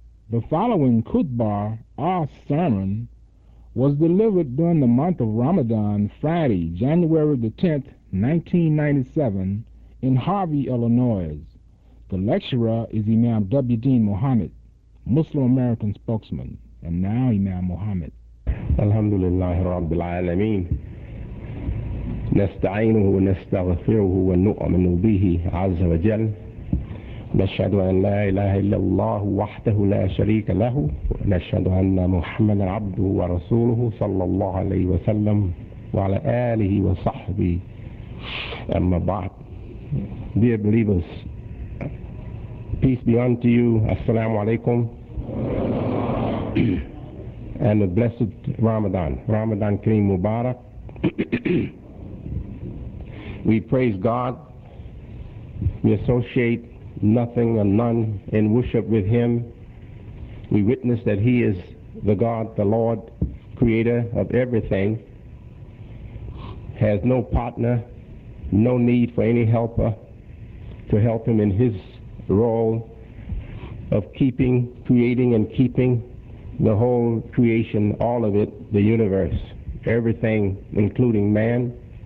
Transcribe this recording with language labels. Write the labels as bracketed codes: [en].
[en] The following khutbah, our sermon, was delivered during the month of Ramadan, Friday, January the 10th, 1997, in Harvey, Illinois. The lecturer is Imam W. Dean Muhammad, Muslim American spokesman, and now Imam Muhammad. Alhamdulillah Rabbil Alameen. [ar] نستعينه ونستغفره ونؤمن به عز وجل نشهد أن لا إله إلا الله وحده لا شريك له نشهد أن محمد عبده ورسوله صلى الله عليه وسلم وعلى آله وصحبه أما بعد [en] Dear believers, peace be unto you, assalamu alaikum and a blessed Ramadan, Ramadan Kareem Mubarak. We praise God, we associate nothing and none in worship with Him. We witness that He is the God, the Lord, creator of everything, has no partner, no need for any helper to help Him in His role of keeping, creating and keeping the whole creation, all of it, the universe, everything, including man.